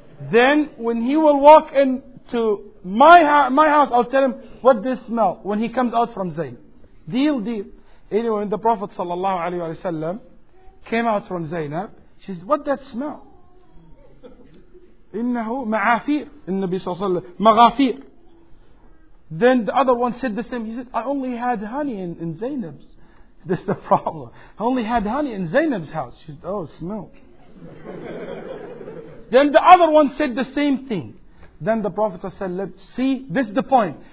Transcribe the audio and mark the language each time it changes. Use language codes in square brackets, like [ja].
[en] Then when he will walk into my house, I'll tell him, what this smell? When he comes out from Zainab. Deal, deal. Anyway, when the Prophet sallallahu alaihi wasallam came out from Zainab, she said, what that smell? [ar] إنه معافير النبي صلى الله عليه وسلم مغافير. [en] Then the other one said the same. He said, I only had honey in Zainab's. This is the problem. I only had honey in Zainab's house. She said, oh, smell. Then the other one said the same thing. Then the Prophet said, see, this is the point.